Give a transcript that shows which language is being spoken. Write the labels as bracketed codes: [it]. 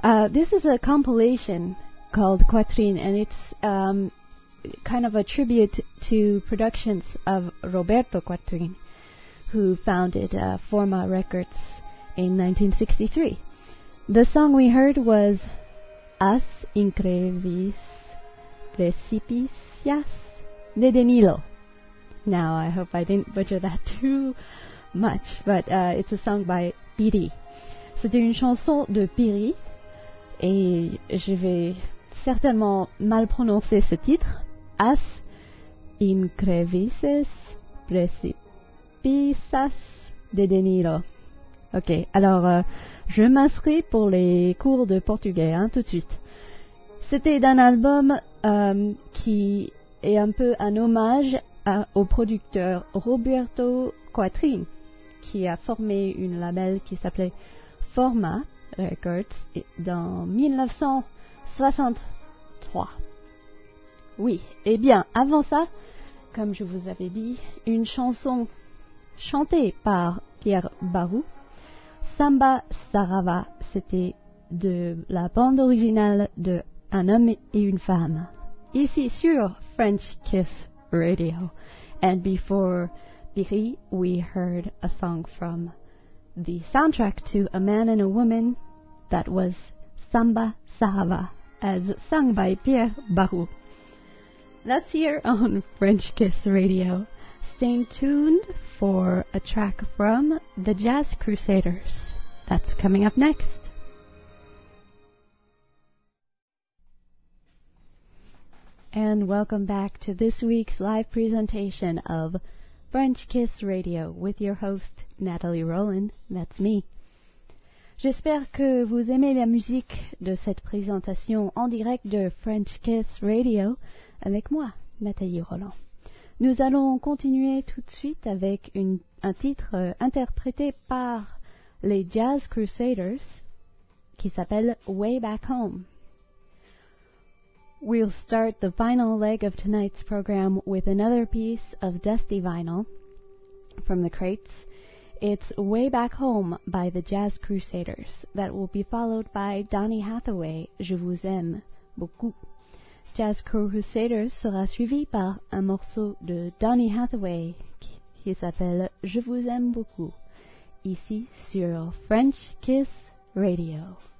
[en] This is a compilation called Quatrine, and it's kind of a tribute to productions of Roberto Quatrine, who founded Forma Records in 1963. The song we heard was As Increvis Precipicias de Danilo. Now, I hope I didn't butcher that too much, but it's a song by Piri. [fr] C'est une chanson de Piri, et je vais certainement mal prononcer ce titre. [pt] As Increvises Precipices de Danilo. [fr] Ok, alors, je m'inscris pour les cours de portugais, hein, tout de suite. C'était d'un album qui est un peu un hommage au producteur Roberto Quatrine, qui a formé une label qui s'appelait Forma Records dans 1963. Oui, eh bien, avant ça, comme je vous avais dit, une chanson chantée par Pierre Barou, Samba Sarava, c'était de la bande originale de Un homme et une femme. Ici sur French Kiss Radio. [en] And before Biri, we heard a song from the soundtrack to A Man and a Woman that was Samba Sarava, as sung by Pierre Barou. That's here on French Kiss Radio. Stay tuned for a track from the Jazz Crusaders. That's coming up next. And welcome back to this week's live presentation of French Kiss Radio with your host, Natalie Rowland. That's me. [fr] J'espère que vous aimez la musique de cette présentation en direct de French Kiss Radio avec moi, Nathalie Rowland. Nous allons continuer tout de suite avec un titre interprété par les Jazz Crusaders qui s'appelle Way Back Home. [en] We'll start the final leg of tonight's program with another piece of dusty vinyl from the crates. It's Way Back Home by the Jazz Crusaders. That will be followed by Donny Hathaway, Je Vous Aime Beaucoup. [fr] Jazz Crusaders sera suivi par un morceau de Donny Hathaway qui s'appelle Je Vous Aime Beaucoup, ici sur French Kiss Radio.